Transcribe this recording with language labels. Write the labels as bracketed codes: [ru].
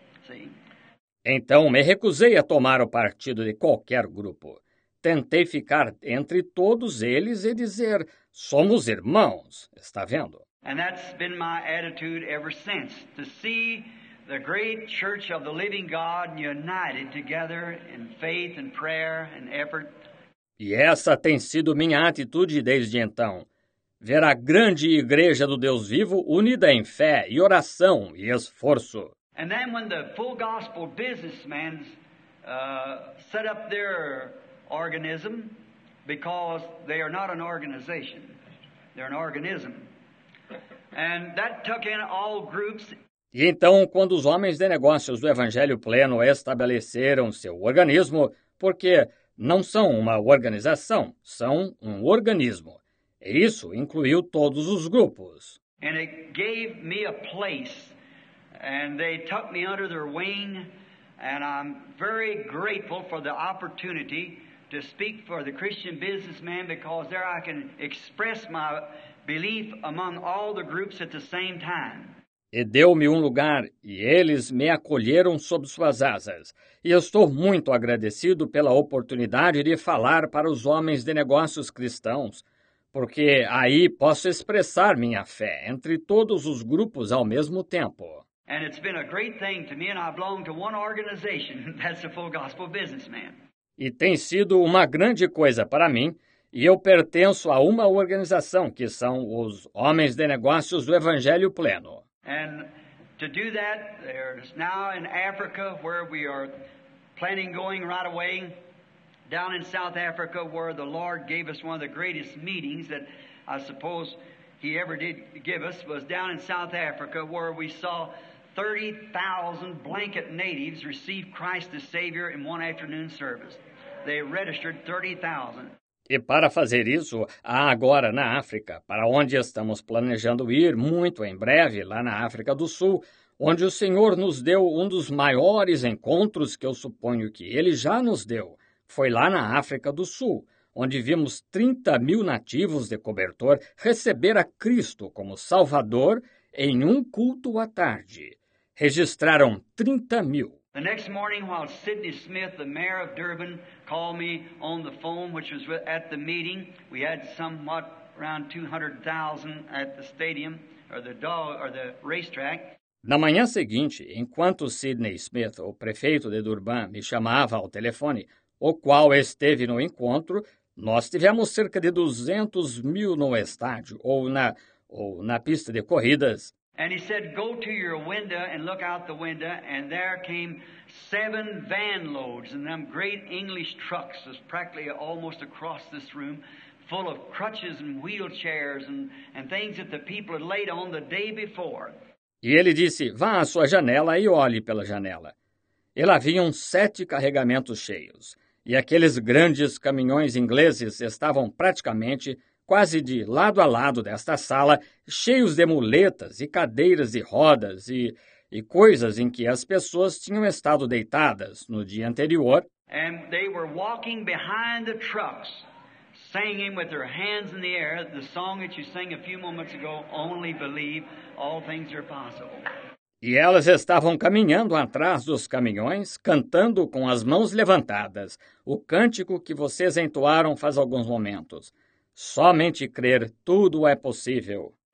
[en] See? [pt] Então me recusei a tomar o partido de qualquer grupo. Tentei ficar entre todos eles e dizer: somos irmãos, está vendo? [en] And that's been my attitude ever since, to see the great church of the living God united together in faith and prayer and effort. [pt] E essa tem sido minha atitude desde então: ver a grande igreja do Deus vivo unida em fé e oração e esforço. [en] And then when the full gospel businessmen set up their organism, because they are not an organization, they're an organism. And that took in all groups. [pt] E então, quando os homens de negócios do Evangelho Pleno estabeleceram seu organismo, porque não são uma organização, são um organismo. E isso incluiu todos os grupos. [en] And it gave me a place. And they took me under their wing, and I'm very grateful for the opportunity to speak for the Christian businessman, because there I can express my belief among all the groups at the same time. [pt] E deu-me um lugar, e eles me acolheram sob suas asas. E estou muito agradecido pela oportunidade de falar para os homens de negócios cristãos, porque aí posso expressar minha fé entre todos os grupos ao mesmo tempo. [en] And it's been a great thing to me, and I belong to one organization, that's the Full Gospel Businessman. [pt] E tem sido uma grande coisa para mim, e eu pertenço a uma organização, que são os Homens de Negócios do Evangelho Pleno. [en] And to do that, there's now in Africa, where we are planning going right away, down in South Africa, where the Lord gave us one of the greatest meetings that I suppose He ever did give us, was down in South Africa, where we saw 30,000 blanket natives receive Christ the Savior in one afternoon service. They registered 30,000. [pt] E para fazer isso, há agora na África, para onde estamos planejando ir muito em breve, lá na África do Sul, onde o Senhor nos deu um dos maiores encontros que eu suponho que Ele já nos deu. Foi lá na África do Sul, onde vimos 30 mil nativos de cobertor receber a Cristo como Salvador em um culto à tarde. Registraram 30 mil. [en] The next morning, while Sidney Smith, the mayor of Durban, called me on the phone, which was at the meeting, we had somewhat around 200,000 at the stadium, or the racetrack. [pt] Na manhã seguinte, enquanto Sidney Smith, o prefeito de Durban, me chamava ao telefone, o qual esteve no encontro, nós tivemos cerca de 200 mil no estádio ou na pista de corridas. [en] And he said, go to your window and look out the window, and there came 7 van loads, and them great English trucks was practically almost across this room, full of crutches and wheelchairs and things that the people had laid on the day before. [pt] E ele disse, vá à sua janela e olhe pela janela. E lá vinham 7 carregamentos cheios, e aqueles grandes caminhões ingleses estavam praticamente quase de lado a lado desta sala, cheios de muletas e cadeiras e rodas e coisas em que as pessoas tinham estado deitadas no dia anterior. [en] And they were walking behind the trucks, singing with their hands in the air, the song that you sang a few moments ago, Only Believe, All Things Are Possible. [pt] E elas estavam caminhando atrás dos caminhões, cantando com as mãos levantadas, o cântico que vocês entoaram faz alguns momentos. Somente crer, tudo é possível.